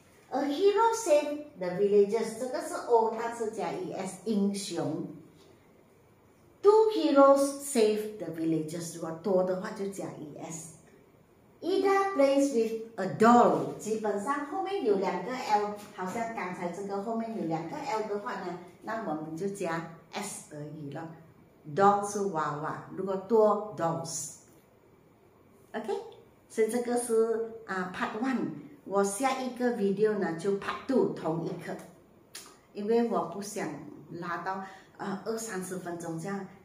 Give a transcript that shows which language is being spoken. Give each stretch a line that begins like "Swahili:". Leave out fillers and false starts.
English: A hero saved the villagers.
Chinese: 这个是 o， 但是加 es， 英雄。
English: Two heroes save the villagers，
Chinese: 如果多的话就加
English: es。 Ida plays with a doll，
Chinese: 基本上后面有两个 l， 好像刚才这个后面有两个 l 的话呢，那我们就加 s 而已了。 Doll 是娃娃，如果多 dolls。OK， 所以这个是、part 1， 我下一个 video 呢就 part 2， 同一课，因为我不想拉到二三十分钟这样，